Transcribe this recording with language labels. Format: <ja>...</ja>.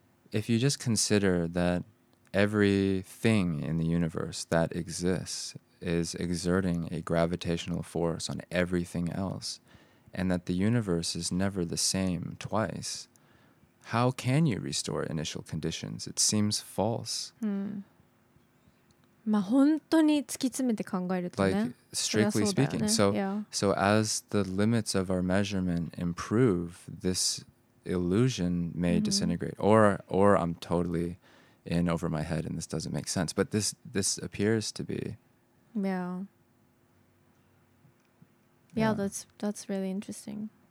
<en>If you just consider that everything in the universe that exists is exerting a gravitational force on everything else, and that the universe is never the same twice, how can you restore initial conditions? It seems false.</en> <ja>まあ本当に突き詰めて考えるとね。</ja> <en>Like, strictly speaking. So, so as the limits of our measurement improve, this... illusion may disintegrate, or I'm totally in over my head and this doesn't make sense, but this appears to be yeah that's really interesting.</en>